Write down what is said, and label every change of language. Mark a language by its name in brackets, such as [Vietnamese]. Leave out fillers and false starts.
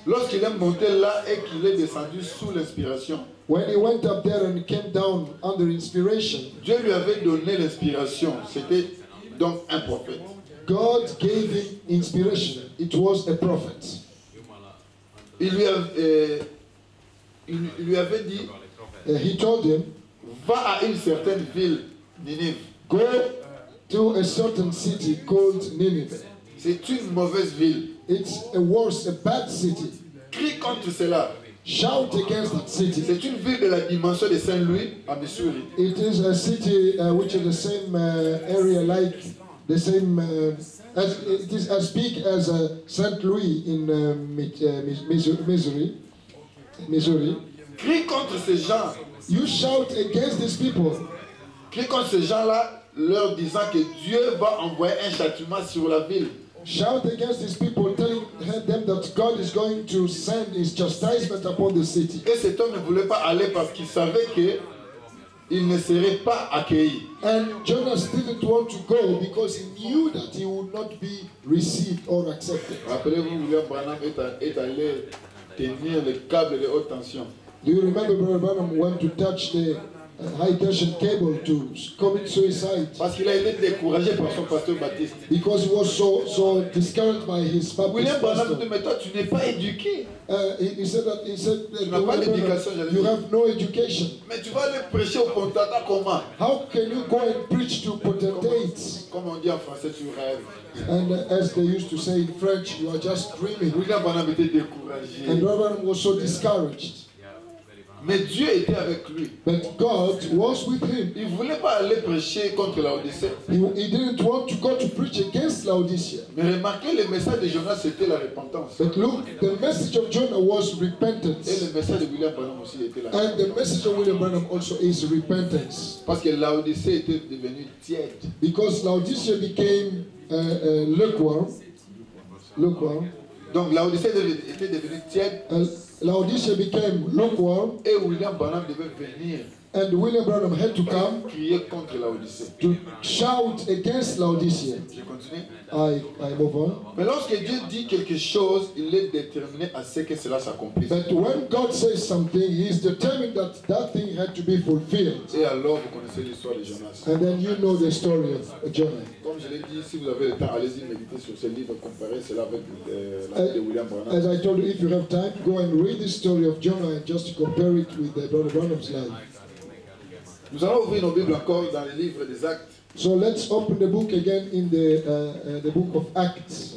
[French] Lorsqu'il est monté là et qu'il est descendu sous l'inspiration. [English] When he went up there and came down under inspiration. [French] Dieu lui avait donné l'inspiration. C'était donc un prophète. [English] God gave him inspiration. It was a prophet. [French] Il lui avait dit. [English] He told him, [French] va à une certaine ville, Ninive. [English] Go to a certain city called Nineveh. [French] C'est une mauvaise ville. [English] It's a worse, a bad city. [French] Crie contre cela. [English] Shout against that city. [French] C'est une ville de la dimension de Saint-Louis, à Missouri. [English] It is a city which is the same area like the same as it is as big as Saint-Louis in Missouri. [French] Crie contre ces gens. [English] You shout against these people. [French] Crie contre ces gens-là, leur disant que Dieu va envoyer un châtiment sur la ville. [English] Shout against these people, telling them that God is going to send his chastisement upon the city. [French] Et cet homme ne voulait pas aller parce qu'il savait que il ne serait pas accueilli. [English] And Jonas didn't want to go because he knew that he would not be received or accepted. [French] Rappelez-vous, William Branham est allé tenir les câbles de haute tension. [English] Do you remember Brother Branham went to touch the high tension cable to commit suicide? [French] Parce qu'il a été découragé par son pasteur baptiste. [English] Because he was so discouraged by his Baptist. [French] William Branham [English] pastor. [French] Mais toi, tu n'es pas éduqué. [English] He said [French] tu n'as pas l'éducation. [English] You have no education. [French] Mais tu vas aller prêcher au potentat comment? [English] How can you go and preach to potentates? [French] Comme on dit en français, tu rêves. [English] And as they used to say in French, you are just dreaming. [French] William Branham était découragé. [English] And Branham was so discouraged. [French] Mais Dieu était avec lui. [English] But God was with him. [French] Il voulait pas aller prêcher contre l'Odyssée. [English] He didn't want to go to preach against Laodicea. [French] Mais remarquez, le message de Jonas c'était la repentance. [English] But look, the message of Jonah was repentance. [French] Et le message de William Branham aussi était là. [English] And the message of William Branham also is repentance. [French] Parce que l'Odyssée était devenue tiède. [English] Because Laodicea became lukewarm. Lukewarm. [French] Donc l'Odyssée était devenue tiède. [English] Laodicea became lukewarm. [French] Et William Branham devait venir. [English] And William Branham had to come. [French] Crier contre Laodicea. [English] To shout against Laodicea. [French] Je continue. [English] I move on. [French] Mais lorsque Dieu dit quelque chose, il est déterminé à ce que cela s'accomplisse. [English] But when God says something, he is determined that that thing had to be fulfilled. [French] Et alors vous connaissez l'histoire de Jonas. [English] And then you know the story of Jonah. [French] Comme je l'ai dit, si vous avez le temps, allez-y méditer sur ce livre, comparez cela avec de William Branham. [English] As I told you, if you have time, go and read the story of Jonah and just compare it with Brother Branham's life. [French] Nous allons ouvrir nos Bibles encore dans le livre des Actes. [English] So let's open the book again in the book of Acts.